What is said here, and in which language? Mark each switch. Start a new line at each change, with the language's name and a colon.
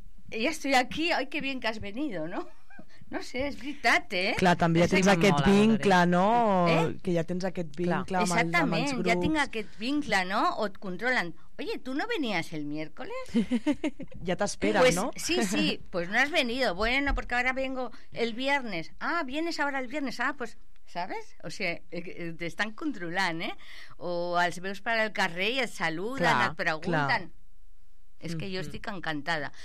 Catalan: Ja estic aquí, oi
Spanish: que bien que has venido,
Catalan: no? No sé, és veritat, eh? Clar, també ja tens aquest vincle, no? Que ja tens aquest vincle amb els grups. Exactament, ja tinc aquest vincle, no? O et controlen.
Spanish: Oye, ¿tú no venías el miércoles?
Catalan: Ja t'esperen,
Spanish: pues, no? Sí, sí, pues no has venido. Bueno, porque ahora vengo el viernes. Ah, vienes ahora el viernes. Ah, pues... ¿Sabes?
Catalan: O sigui, t'estan controlant, eh? O els veus per al carrer i et saluden, clar, et pregunten. Clar. És que jo estic encantada.